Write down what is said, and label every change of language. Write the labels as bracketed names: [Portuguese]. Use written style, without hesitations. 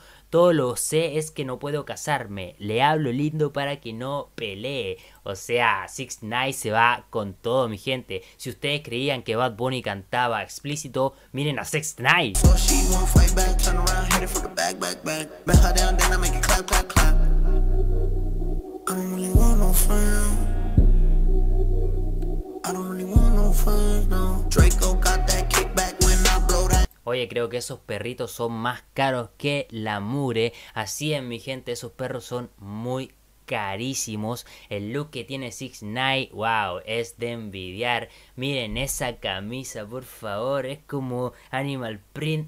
[Spanish] Todo lo sé es que no puedo casarme. Le hablo lindo para que no pelee. O sea, 6ix9ine se va con todo, mi gente. Si ustedes creían que Bad Bunny cantaba explícito, miren a 6ix9ine. [English] So she won't fight back, turn around, hit it for the back. Bend her down, then I make it clap. I don't really want no friend. I don't really want no friend, no. Draco got that kickback when I blow that. [Spanish] Oye, creo que esos perritos son más caros que la mure. Así es, mi gente, esos perros son muy carísimos. El look que tiene 6ix9ine, wow, es de envidiar. Miren esa camisa, por favor, es como animal print.